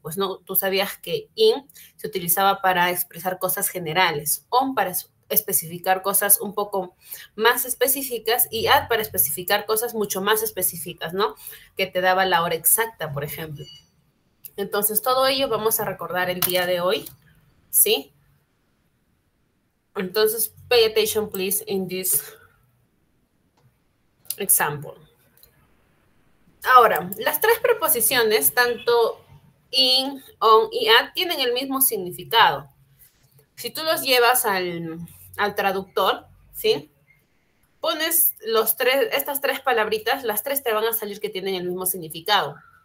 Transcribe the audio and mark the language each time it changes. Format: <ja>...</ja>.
<es>Pues no, tú sabías que in se utilizaba para expresar cosas generales, on para especificar cosas un poco más específicas y at para especificar cosas mucho más específicas, ¿no? Que te daba la hora exacta, por ejemplo. Entonces, todo ello vamos a recordar el día de hoy, ¿sí?</es> <en>Entonces, pay attention, please, in this example.</en> <es>Ahora, las tres preposiciones, tanto in, on y at, tienen el mismo significado. Si tú los llevas al traductor, ¿sí? Pones estas tres palabritas, las tres te van a salir que tienen el mismo significado.</es>